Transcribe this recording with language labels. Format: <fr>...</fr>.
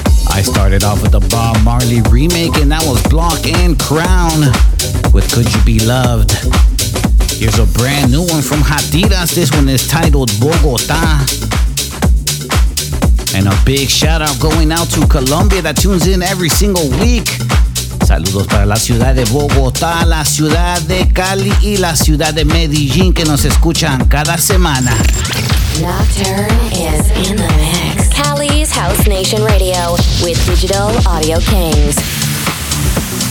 <en>I started off with the Bob Marley remake, and that was Block and Crown with Could You Be Loved. Here's a brand new one from Hatiras. This one is titled Bogota. And a big shout out going out to Colombia that tunes in every single week.</en> <es>Saludos para la ciudad de Bogotá, la ciudad de Cali y la ciudad de Medellín que nos escuchan cada semana.</es> <en>Nocturne is in the mix. Cali's House Nation Radio with Digital Audio Kings.</en>